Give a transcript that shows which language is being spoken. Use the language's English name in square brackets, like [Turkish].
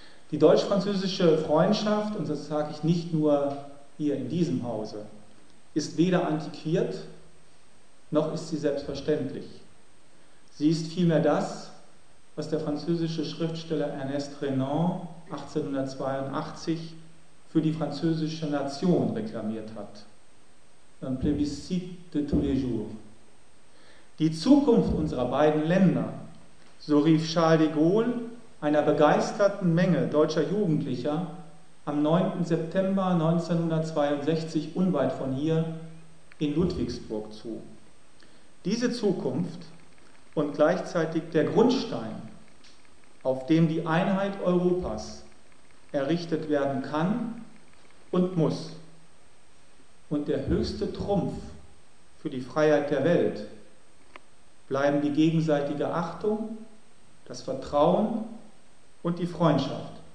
[German] Die deutsch-französische Freundschaft, und das sage ich nicht nur hier in diesem Hause, ist weder antiquiert, noch ist sie selbstverständlich. Sie ist vielmehr das, was der französische Schriftsteller Ernest Renan 1882 für die französische Nation reklamiert hat. [French] Un plébiscite de tous les jours. [German] Die Zukunft unserer beiden Länder, so rief Charles de Gaulle einer begeisterten Menge deutscher Jugendlicher am 9. September 1962 unweit von hier in Ludwigsburg zu. Diese Zukunft und gleichzeitig der Grundstein, auf dem die Einheit Europas errichtet werden kann und muss, und der höchste Trumpf für die Freiheit der Welt, bleiben die gegenseitige Achtung, das Vertrauen und die Freundschaft,